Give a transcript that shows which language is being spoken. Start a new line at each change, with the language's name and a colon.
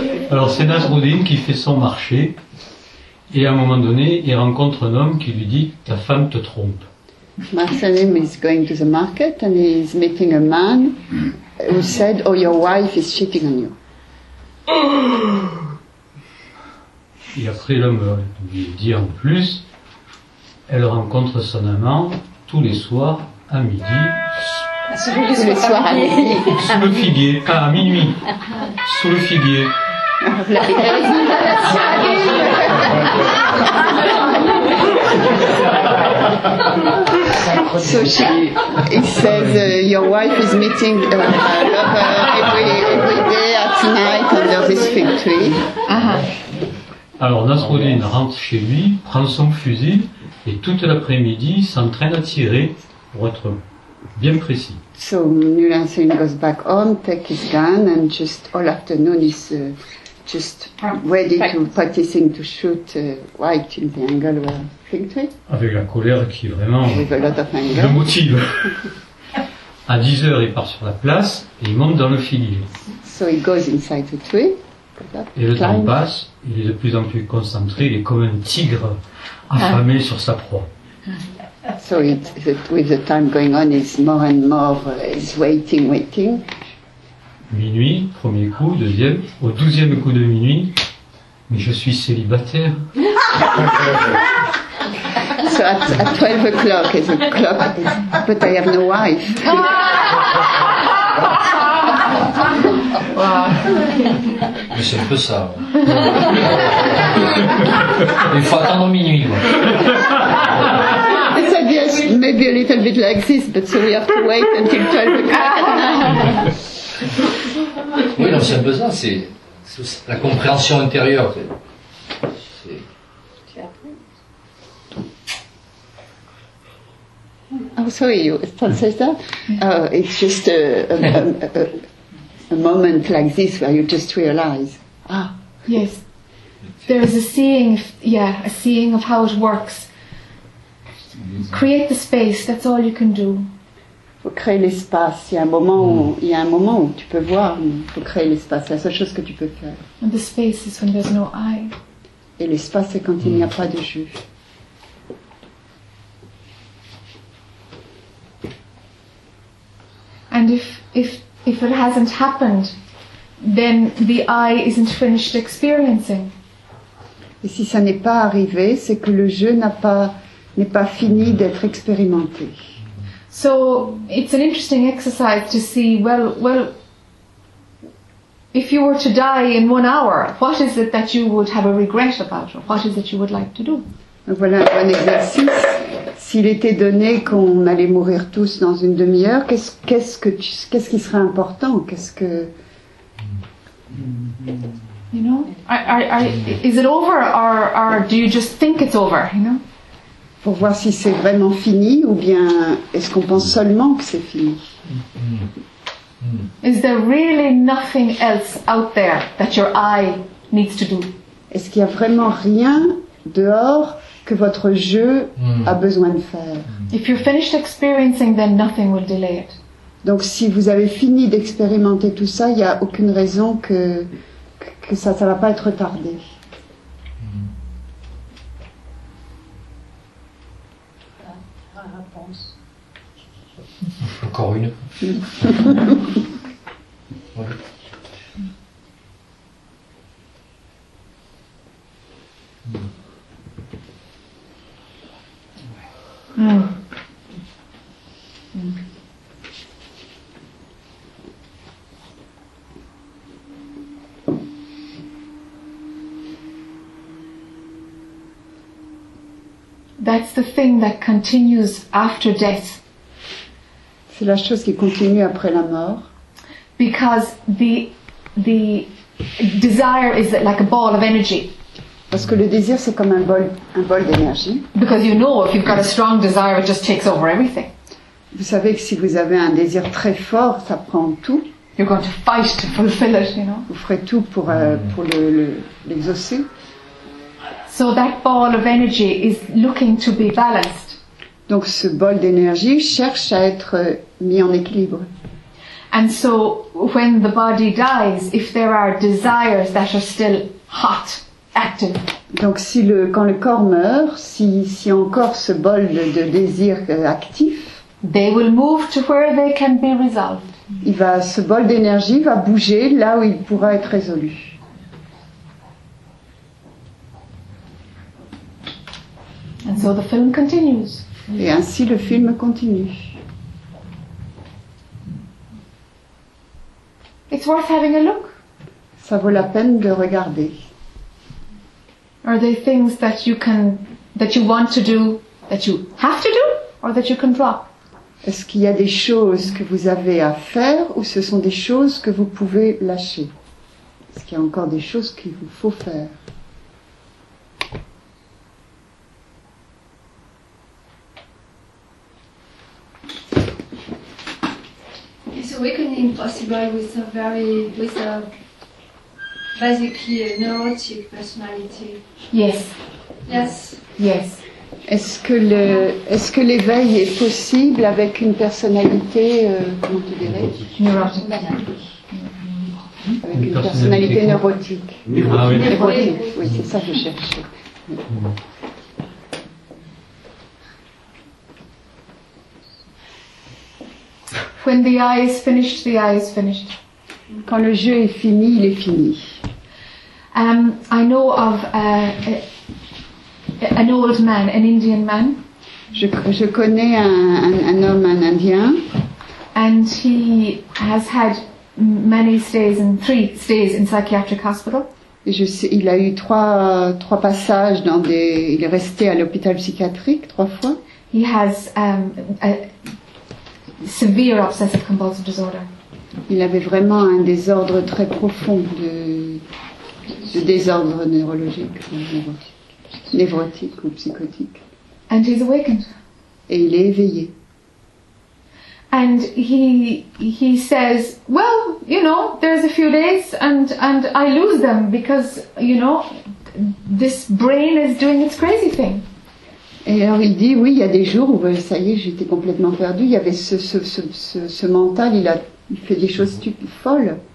French: Alors c'est Nasruddin qui fait son marché et à un moment donné il rencontre un homme qui lui dit ta femme te trompe.
English: Nasruddin is going to the market and he's meeting a man who said oh your wife is cheating on you.
French: Et après l'homme lui dit en plus elle rencontre son amant tous les soirs à midi. Sous le figuier, à minuit.
English: So he says, your wife is meeting every day at night under this fig tree.
French: Alors Nasruddin rentre chez lui, prend son fusil et toute l'après-midi s'entraîne à tirer pour être bien précis.
English: So Mulla Nasruddin goes back home, take his gun, and just all afternoon is just ready to practicing to shoot right in the angle of a fig tree.
French: Avec la colère qui vraiment le motive. À 10h, il part sur la place et il monte dans le figuier.
English: So he goes inside the tree.
French: Et le temps passe, il est de plus en plus concentré, il est comme un tigre affamé sur sa proie.
English: So with the time going on, it's more and more, it's waiting.
French: Minuit, premier coup, deuxième, au 12e coup de minuit, mais je suis célibataire.
English: So at 12 o'clock, it's a clock, but I have no wife.
French: Wow. Mais c'est un peu ça. Il faut attendre minuit.
English: I said yes, maybe a little bit like this, but so we have to wait until 12 o'clock.
French: Oui, non, c'est un peu ça. C'est la compréhension intérieure.
English: Oh, sorry, you translate that? It's just a moment like this where you just realize. Ah, yes. There is a seeing, a seeing of how it works. Create the space, that's all you can do.
French: Faut créer l'espace. Il y a un moment où tu peux voir, faut créer l'espace. C'est la seule chose que tu peux faire.
English: And the space is when there's no I.
French: Et l'espace, c'est quand il n'y a pas de jus.
English: And if it hasn't happened, then the I isn't finished experiencing.
French: Et si ça n'est pas arrivé, c'est que le jeu n'est pas fini d'être expérimenté.
English: So it's an interesting exercise to see. Well, if you were to die in 1 hour, what is it that you would have a regret about, or what is it you would like to do?
French: Voilà un exercice s'il était donné qu'on allait mourir tous dans une demi-heure, qu'est-ce qui serait important? Qu'est-ce que...
English: You know, is it over or do you just think it's over, you know?
French: Pour voir si c'est vraiment fini ou bien est-ce qu'on pense seulement que c'est fini?
English: Is there really nothing else out there that your eye needs to do?
French: Est-ce qu'il y a vraiment rien dehors que votre jeu a besoin de faire?
English: If you're finished experiencing, then nothing will delay it.
French: Donc si vous avez fini d'expérimenter tout ça, il n'y a aucune raison que ça ne va pas être retardé. Encore une.
English: That's the thing that continues after death.
French: C'est la chose qui continue après la mort.
English: Because the desire is like a ball of energy.
French: Parce que le désir c'est comme un bol d'énergie.
English: Because you know if you've got a strong desire it just takes over everything.
French: Vous savez que si vous avez un désir très fort, ça prend tout.
English: You're going to fight to fulfill it, you know.
French: Vous ferez tout pour le l'exaucer.
English: So that ball of energy is looking to be balanced.
French: Donc ce bol d'énergie cherche à être mis en équilibre.
English: And so when the body dies, if there are desires that are still hot, active.
French: Donc si quand le corps meurt, si encore ce bol de désir actif,
English: they will move to where they can be resolved.
French: Ce bol d'énergie va bouger là où il pourra être résolu.
English: And so the film continues.
French: Et ainsi le film continue.
English: It's worth having a look.
French: Ça vaut la peine de regarder.
English: Are there things that you can, that you want to do, that you have to do, or that you can drop?
French: Est-ce qu'il y a des choses que vous avez à faire ou ce sont des choses que vous pouvez lâcher? Est-ce qu'il y a encore des choses qu'il vous faut faire?
English: Awakening possible with a basically a neurotic personality. Yes. Yes. Yes.
French: Est-ce que l'éveil est possible avec une personnalité comment tu dirais? Neurotique. Avec une personnalité neurotique. Neurotique. Oui, c'est ça que je cherchais.
English: When the eye is finished, the eye is finished.
French: Quand le jeu est fini, il est fini.
English: I know of an old man, an Indian man.
French: Je connais un homme, un Indien.
English: And he has had many stays and three stays in psychiatric hospital.
French: Il a eu trois passages dans des. Il est resté à l'hôpital psychiatrique trois fois.
English: He has severe obsessive compulsive disorder.
French: Il avait vraiment un désordre très profond de désordre neurologique, névrotique ou psychotique.
English: And he's awakened.
French: Et il est éveillé.
English: And he says, well, you know, there's a few days and I lose them because, you know, this brain is doing its crazy thing.
French: Et alors il dit, oui, il y a des jours où, ça y est, j'étais complètement perdue. Il y avait ce mental, il fait des choses stupides, folles.